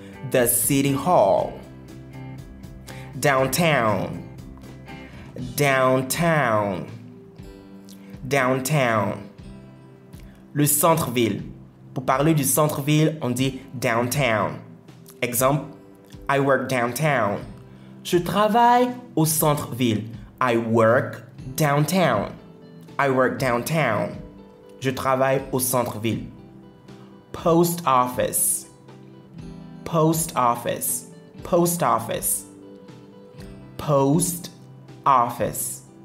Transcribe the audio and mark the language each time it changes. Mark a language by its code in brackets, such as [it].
[en] The city hall. Downtown. Downtown. Downtown. [fr] Le centre-ville. Pour parler du centre-ville, on dit downtown. [en] Exemple, I work downtown. [fr] Je travaille au centre-ville. [en] I work downtown. I work downtown. [fr] Je travaille au centre-ville. [en] Post office. Post office. Post office. Post office.